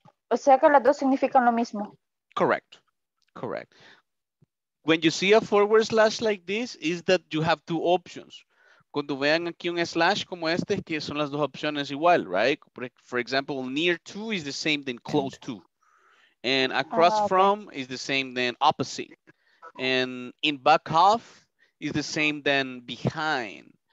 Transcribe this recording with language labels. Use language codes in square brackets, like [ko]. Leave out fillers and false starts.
[es] O sea que las dos significan lo mismo. [en] Correct. When you see a forward slash like this, is that you have two options. [es] Cuando vean aquí un slash como este, que son las dos opciones igual, right? [en] For example, near to is the same than close to. And across from is the same than opposite. And in back of is the same than behind.